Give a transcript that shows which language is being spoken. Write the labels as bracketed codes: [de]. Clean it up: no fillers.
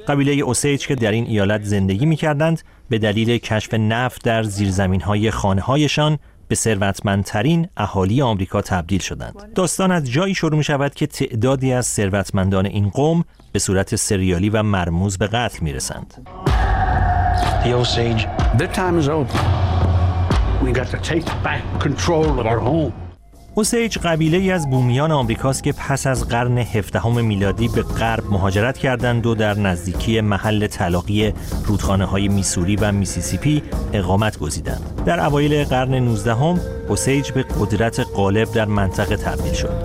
[fa] قبیله اوسیج که در این ایالت زندگی می‌کردند، به دلیل کشف نفت در زیرزمین‌های خانه‌هایشان به ثروتمندترین اهالی آمریکا تبدیل شدند. داستان از جایی شروع می‌شود که تعدادی از ثروتمندان این قوم به صورت سریالی و مرموز به قتل می‌رسند. [en] The Osage, the time is over. We got to take back control of our home. [fa] اوسیج قبیله ای از بومیان آمریکاست که پس از قرن 17 میلادی به غرب مهاجرت کردند و در نزدیکی محل تلاقی رودخانه های میسوری و میسیسیپی اقامت گزیدند. در اوایل قرن 19 اوسیج به قدرت غالب در منطقه تبدیل شد.